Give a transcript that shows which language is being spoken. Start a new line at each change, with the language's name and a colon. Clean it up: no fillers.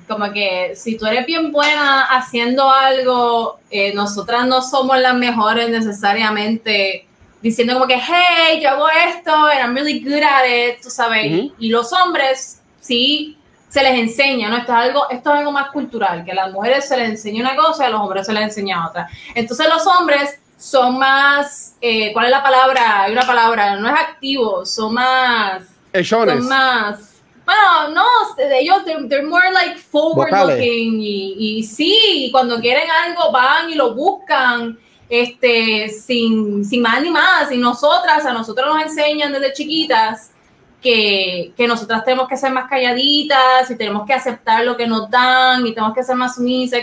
Spanish: Como que si tú eres bien buena haciendo algo, nosotras no somos las mejores necesariamente diciendo como que, hey, yo hago esto
English: and I'm really good at it,
Spanish: tú sabes. Uh-huh. Y los hombres, sí, se les enseña, ¿no? Esto es algo más cultural, que a las mujeres se les enseña una cosa y a los hombres se les enseña otra. Entonces los hombres son más, ¿cuál es la palabra? Hay una palabra, no es activo, son más... Echones. Son más... Bueno, no, ellos,
English: they're more like forward-looking.
Spanish: Y sí, cuando quieren algo, van y lo buscan sin más ni más. Y a nosotras nos enseñan desde chiquitas que nosotras tenemos que ser más calladitas y tenemos que aceptar lo que nos dan y tenemos que ser más sumisas.